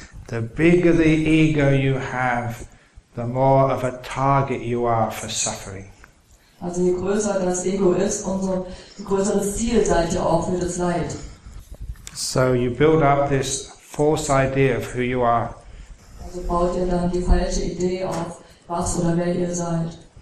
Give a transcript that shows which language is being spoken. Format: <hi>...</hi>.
<en>The bigger the ego you have, the more of a target you are for suffering.</en> <de>Also je größer das Ego ist, umso größeres Ziel seid ihr auch für das Leid.</de> <en>So you build up this false idea of who you are.</en> <de>Also baut ihr dann die falsche Idee auf, was oder wer ihr seid.</de>